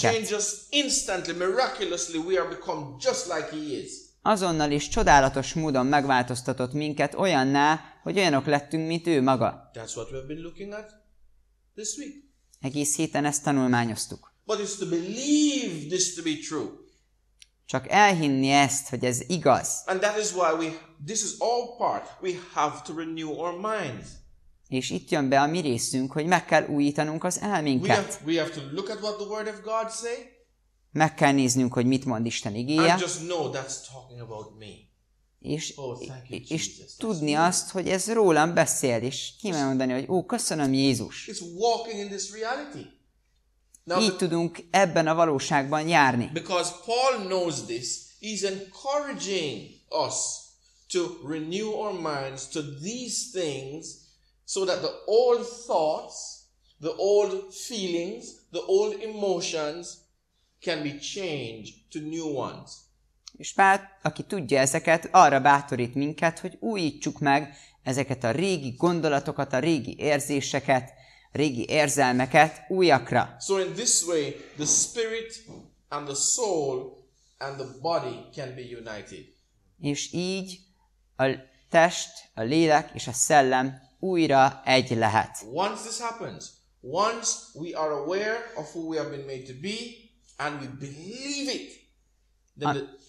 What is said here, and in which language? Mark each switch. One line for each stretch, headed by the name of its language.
English: He has changed us instantly, miraculously, we are become just like he is.
Hungarian: Azonnal is csodálatos módon megváltoztatott minket olyanná, hogy olyanok lettünk, mint ő maga.
English: That's what we've been looking at this week.
Hungarian: Egész héten ezt tanulmányoztuk.
English: But it's to believe this to be true.
Hungarian: Csak elhinni ezt, hogy ez igaz.
English: And that is why this is all part, we have to renew our minds.
Hungarian: És itt jön be a mi részünk, hogy meg kell újítanunk az elménket.
English: We have to look at what the word of God say.
Hungarian: Meg kell néznünk, hogy mit mond Isten igéje.
English: And just know that's talking about me.
Hungarian: És, és tudni azt, hogy ez rólam beszél, és kimondani, hogy ó, köszönöm Jézus.
English: It's walking in this reality.
Hungarian: Now, így tudunk ebben a valóságban járni.
English: Because Paul knows this, he's encouraging us to renew our minds to these things so that the old thoughts, the old feelings, the old emotions can be changed to new ones.
Hungarian: És Pál, aki tudja ezeket, arra bátorít minket, hogy újítsuk meg ezeket a régi gondolatokat, a régi érzéseket, régi érzelmeket újakra.
English: So in this way, the spirit and the soul and the body can be united.
Hungarian: És így a test, a lélek és a szellem újra egy lehet.
English: Once this happens, once we are aware of who we have been made to be, and we believe it, then